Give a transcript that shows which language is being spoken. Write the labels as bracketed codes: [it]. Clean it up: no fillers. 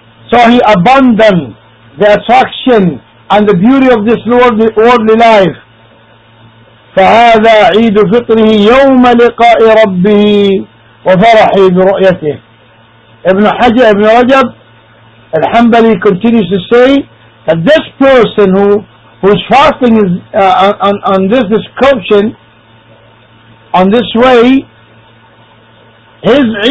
[en] So he abandoned the attraction and the beauty of this worldly life. [ar] فهذا عيد فطره يوم لقاء ربه وفرحه برؤيته. [en] Ibn Hajar, Ibn Rajab, Al-Hanbali continues to say that this person who's fasting is on this description, on this way, his